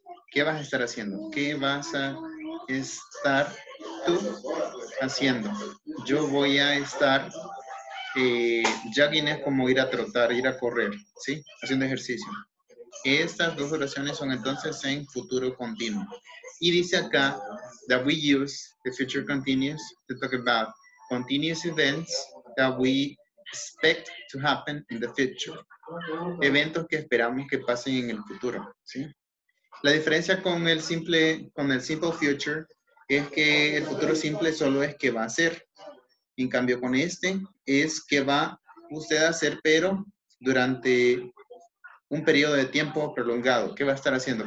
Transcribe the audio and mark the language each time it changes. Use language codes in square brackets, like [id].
[es] ¿Qué vas a estar haciendo? ¿Qué vas a estar tú haciendo? Yo voy a estar, jogging es como ir a trotar, ir a correr, ¿sí? Haciendo ejercicio. Estas dos oraciones son entonces en futuro continuo. Y dice acá, [en] that we use the future continuous to talk about continuous events that we expect to happen in the future. [es] Eventos que esperamos que pasen en el futuro, ¿sí? La diferencia con el simple future es que el futuro simple solo es qué va a hacer. En cambio, con este, es qué va usted a hacer, pero durante un periodo de tiempo prolongado. ¿Qué va a estar haciendo?